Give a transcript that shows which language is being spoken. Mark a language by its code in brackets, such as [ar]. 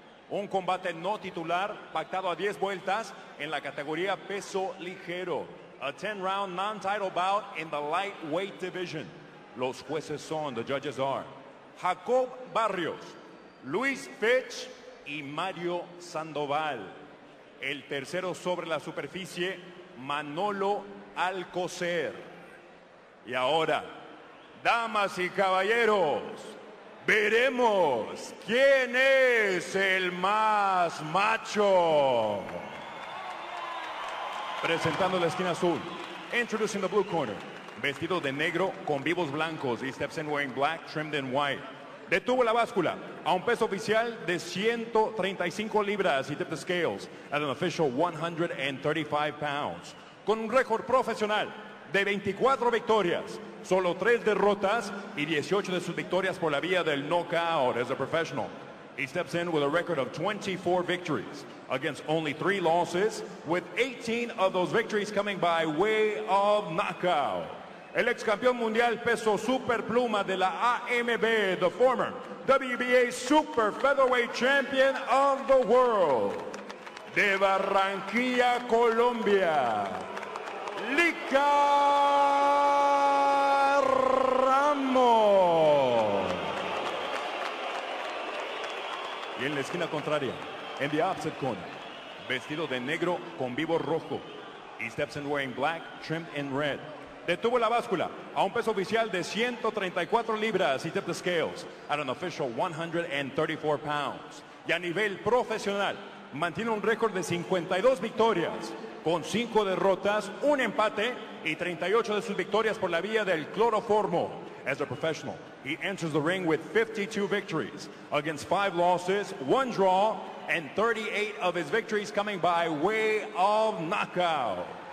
[es] Un combate no titular, pactado a 10 vueltas en la categoría peso ligero. [en] A 10-round non-title bout in the lightweight division. [es] Los jueces son, [en] the judges are, [es] Jacob Barrios, Luis Fitch y Mario Sandoval. El tercero sobre la superficie, Manolo Alcocer. Y ahora, damas y caballeros, veremos quién es el más macho. Presentando la esquina azul, [en] introducing the blue corner, [es] vestido de negro con vivos blancos, [en] he steps in wearing black trimmed in white. [es] Detuvo la báscula a un peso oficial de 135 libras, [en] he tipped the scales at an official 135 pounds. [es] Con un récord profesional de 24 victorias, solo 3 derrotas y 18 de sus victorias por la vía del knockout [en] as a professional. He steps in with a record of 24 victories against only 3 losses, with 18 of those victories coming by way of knockout. [es] El ex campeón mundial peso superpluma de la AMB, [en] the former WBA super featherweight champion of the world, [es] de Barranquilla, Colombia, Likar Ramos. Y en la esquina contraria, en [en] the opposite corner, [es] vestido de negro con vivo rojo, [en] he steps in wearing black trimmed in red. [es] Detuvo la báscula a un peso oficial de 134 libras, [en] he tipped the scales at an official 134 pounds. [es] Y a nivel profesional, mantiene un récord de 52 victorias, con 5 derrotas, un empate y 38 de sus victorias por la vía del cloroformo. [en] As a professional, he enters the ring with 52 victories against 5 losses, 1 draw, and 38 of his victories coming by way of knockout.